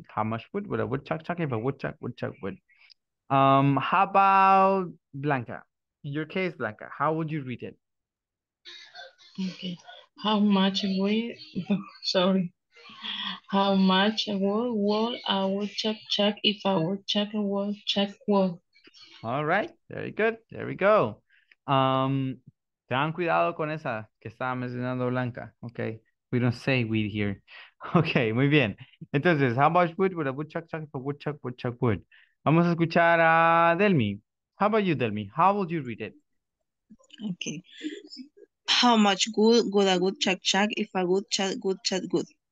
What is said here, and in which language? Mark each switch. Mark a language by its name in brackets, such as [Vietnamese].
[English] How much wood would a woodchuck chuck if a woodchuck would? How about Blanca? In your case, Blanca, how would you read it? Okay. How much wood? Sorry. How much would a woodchuck chuck if a woodchuck would chuck wood? All right, very good, there we go. [Spanish] Tengan cuidado con esa que estaba mencionando Blanca. [English] Okay, we don't say weed here. Okay, [Spanish] muy bien. [English] Entonces, how much wood would a woodchuck chuck if a woodchuck would chuck wood? [Spanish] Vamos a escuchar a Delmi. [English] How about you, Delmi? How would you read it? Okay. How much wood would a woodchuck chuck if a woodchuck would chuck wood?